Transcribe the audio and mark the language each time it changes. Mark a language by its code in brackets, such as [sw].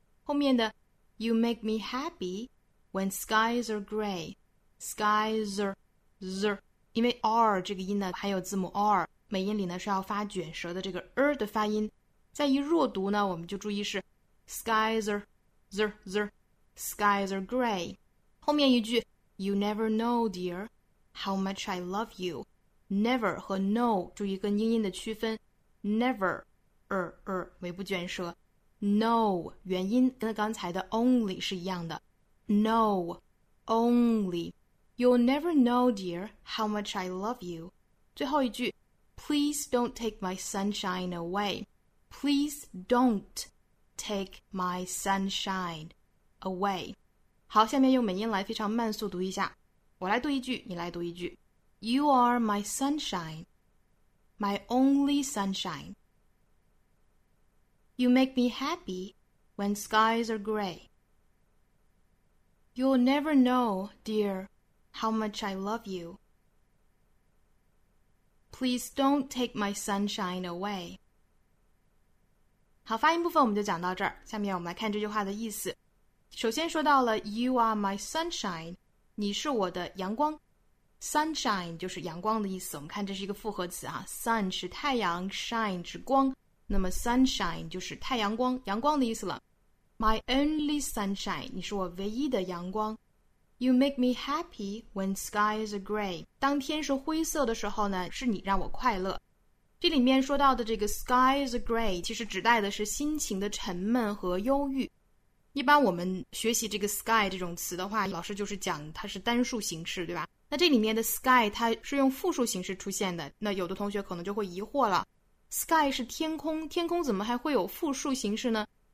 [zh] 后面的 [en] You make me happy when skies are gray. Skies are zr. [zh] 因为 r 这个音呢还有字母 r， 美音里呢是要发卷舌的这个 r 的发音，再一弱读呢我们就注意是 [en] Skies are zr zr. Skies are gray. [zh] 后面一句 [en] You never know, dear, how much I love you. [zh] Never 和 know 注意跟音的区分， Never尾部卷舌 no 元音跟刚才的 only 是一样的， no only. [en] You'll never know, dear, how much I love you. [zh] 最后一句 [en] Please don't take my sunshine away. Please don't take my sunshine away. [zh] 好，下面用美音来非常慢速读一下，我来读一句你来读一句， [en] You are my sunshine, my only sunshineYou make me happy when skies are gray. You'll never know, dear, how much I love you. Please don't take my sunshine away. [zh] 好，发音部分我们就讲到这儿。下面我们来看这句话的意思。首先说到了 [en] You are my sunshine, [zh] 你是我的阳光。 Sunshine 就是阳光的意思。我们看这是一个复合词啊， Sun 是太阳， Shine 是光。那么 sunshine 就是太阳光，阳光的意思了。 [en] My only sunshine， [zh] 你是我唯一的阳光。 [en] You make me happy when skies are gray， [zh] 当天是灰色的时候呢，是你让我快乐。这里面说到的这个 [en] skies are gray [zh] 其实指代的是心情的沉闷和忧郁。一般我们学习这个 sky 这种词的话，老师就是讲它是单数形式，对吧？那这里面的 sky 它是用复数形式出现的，那有的同学可能就会疑惑了，sky 是天空，天空怎么还会有复数形式呢？